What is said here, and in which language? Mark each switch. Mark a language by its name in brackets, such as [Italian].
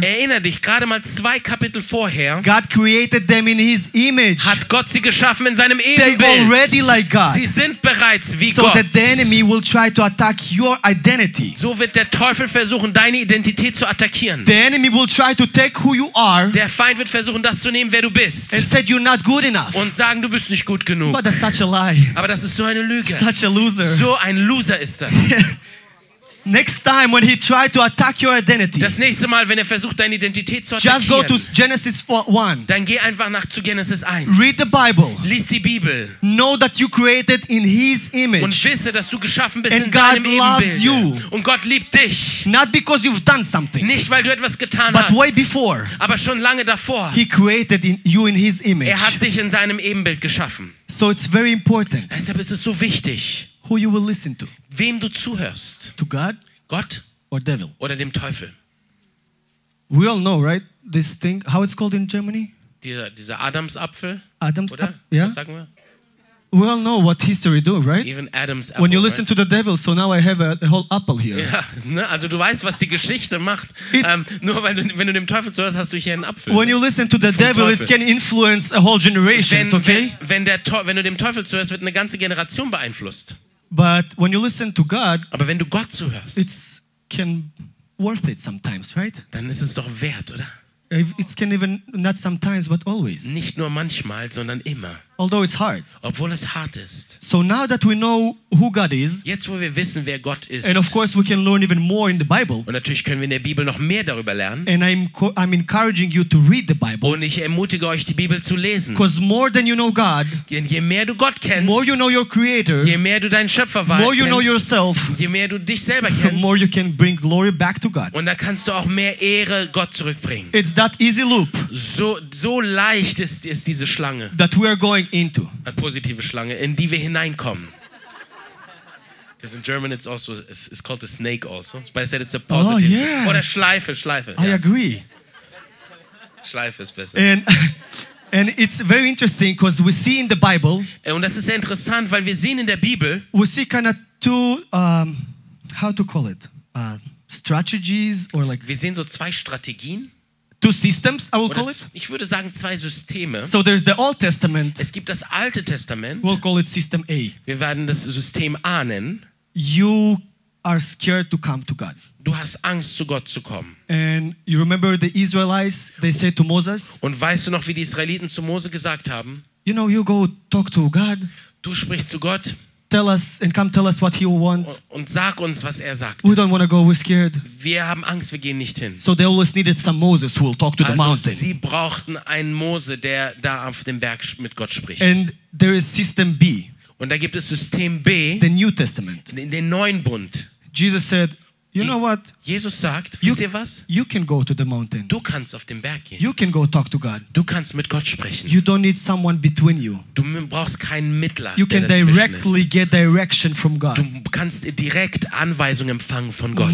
[German] erinnere dich, gerade mal zwei Kapitel vorher, [English] God created them in his image, [German] hat Gott sie geschaffen in seinem Ebenbild. [English] They're already like God. [German] Sie sind bereits wie so Gott. [English] That the enemy will try to attack your identity. [German] So wird der Teufel versuchen, deine Identität zu attackieren. [English] The enemy will try to take who you are, [German] der Feind wird versuchen, das zu nehmen, wer du bist, [English] and said you're not good enough, [German] und sagen, du bist nicht gut genug. [English] But that's such a lie. [German] Aber das ist so eine Lüge. [English] Such a loser. [German] So ein Loser ist das. [English] Next time when he tried to attack your identity. [German] Das nächste Mal, wenn er versucht, deine Identität zu attackieren. [English] Just go to Genesis 1. [German] Dann geh einfach nach zu Genesis 1. [English] Read the Bible. [German] Lies die Bibel. [English] Know that you created in his image. [German] Und wisse, dass du geschaffen bist [English] and in God [German] seinem [English] loves [German] Ebenbild. [English] You. [German] Und Gott liebt dich. [English] Not because you've done something. [German] Nicht weil du etwas getan [English] but [German] hast. [English] Way before. [German] Aber schon lange davor. [English] He created you in his image. [German] Er hat dich in seinem Ebenbild geschaffen. [English] So it's very important. [German] Deshalb ist es so wichtig. [English] Who you will listen to? [German] Wem du zuhörst? [English] To God? [German] Gott? [English] Or devil? [German] Oder dem Teufel? [English] We all know, right? This thing, how it's called in Germany? [German] Dieser Adamsapfel? Adams? Oder? [English] Yeah. [German] Was sagen wir? [English] We all know what history do, right? Even Adam's apple. When you right? listen to the devil, so now I have a whole apple here. [German] Ja, ne? Also du weißt, was die Geschichte macht. Nur weil wenn du dem Teufel zuhörst, hast du hier einen Apfel. [English] When you listen to the devil, it can influence a whole generation, okay? [German] Wenn du dem Teufel zuhörst, wird eine ganze Generation beeinflusst. [English] But when you listen to God, [German] aber wenn du Gott zuhörst, [English] it's can worth it sometimes, right? [German] Dann ist es doch wert, oder? [English] It can even not sometimes, but always. [German] Nicht nur manchmal, sondern immer. [English] Although it's hard. [German] Obwohl es hart ist. [English] So now that we know who God is, [German] jetzt wo wir wissen, wer Gott ist, [English] and of course we can learn even more in the Bible. [German] Und natürlich können wir in der Bibel noch mehr darüber lernen. [English] And I'm encouraging you to read the Bible. [German] Und ich ermutige euch, die Bibel zu lesen. [English] Because more than you know God, [German] je mehr du Gott kennst, [English] more you know your Creator, [German] je mehr du deinen Schöpfer weißt, [English] more you know yourself, [German] je mehr du dich selber kennst, [English] the more you can bring glory back to God. [German] Und da kannst du auch mehr Ehre Gott zurückbringen. [English] It's that easy loop. [German] So leicht ist diese Schlange. [English] That we are going into. [German] Eine positive Schlange, in die wir hineinkommen. [English] Because in German it's also it's called a snake also. But I said it's a positive. Oh, yes. [German] Oder Schleife. [English] I agree. [German] Schleife ist besser. [English] And it's very interesting because we see in the Bible. [German] Und das ist sehr interessant, weil wir sehen in der Bibel. [English] We see kind of two how to call it strategies or like. [German] Wir sehen so zwei Strategien. [English] Two systems, I will call it. [German] Ich würde sagen zwei Systeme. [English] So there's the Old Testament. [German] Es gibt das Alte Testament. [English] We'll call it System A. [German] Wir werden das System A nennen. [English] You are scared to come to God. [German] Du hast Angst, zu Gott zu kommen. [English] And you remember the Israelites? They said to Moses. [German] Und weißt du noch, wie die Israeliten zu Mose gesagt haben? [English] You know, you go talk to God. [German] Du sprichst zu Gott. [English] Tell us and come tell us what he will want. [German] Und sag uns, was er sagt. [English] We don't want to go, we're scared. [German] Wir haben Angst, wir gehen nicht hin. [English] So they always needed some Moses who will talk to [German] also [English] the mountain. [German] Sie brauchten einen Mose, der da auf dem Berg mit Gott spricht. [English] And there is System B. [German] Und da gibt es System B. [English] The New Testament. [German] Den neuen Bund. [English] Jesus said, you know what? [German] Jesus sagt, wisst ihr was? [English] You can go to the mountain. [German] Du kannst auf den Berg gehen. [English] You can go talk to God. [German] Du kannst mit Gott sprechen. [English] You don't need someone between you. [German] Du brauchst keinen Mittler. [English] You can directly get direction from God. [German] Du kannst direkt Anweisung empfangen von Gott.